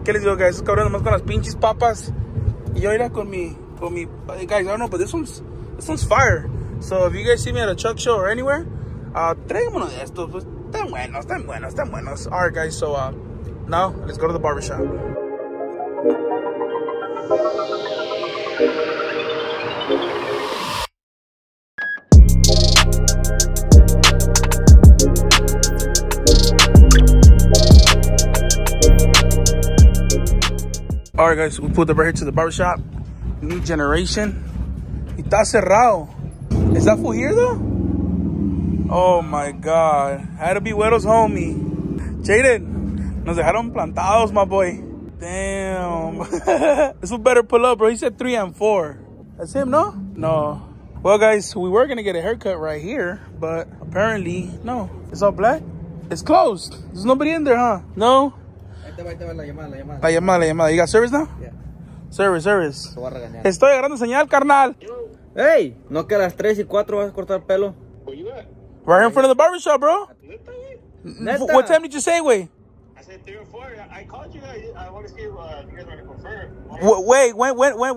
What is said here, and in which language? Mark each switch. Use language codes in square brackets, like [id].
[es] ¿Qué les digo, guys? Es cabrón, nomás con las pinches papas. Y yo era con mi... [en] Guys, I don't know, but this one's fire. So, if you guys see me at a truck show or anywhere... [es] traigámonos de estos, pues, están buenos, están buenos, están buenos. [en] All right, guys, so, now, let's go to the barbershop. Hey, guys. All right, guys, we pulled up right here to the barbershop. New generation. [es] Y está cerrado. [en] Is that full here, though? Oh my God, had to be Wero's homie. Jaden, [es] nos dejaron plantados, [en] my boy. Damn. This one better pull up, bro. He said 3 and 4. That's him, no? No. Well, guys, we were gonna get a haircut right here, but apparently, no. It's all black? It's closed. There's nobody in there, huh? No? [es] La llamada. [en] You got service now? Yeah. [es] Service. Estoy agarrando señal, carnal. Hey, no que a las 3 y 4 vas a cortar pelo. [en] Where you at? Right here in front of the barbershop, bro. [es] Neta. [en] What time did you say, wait? I said 3 or 4. I called you guys. I want to see if you guys want to confirm.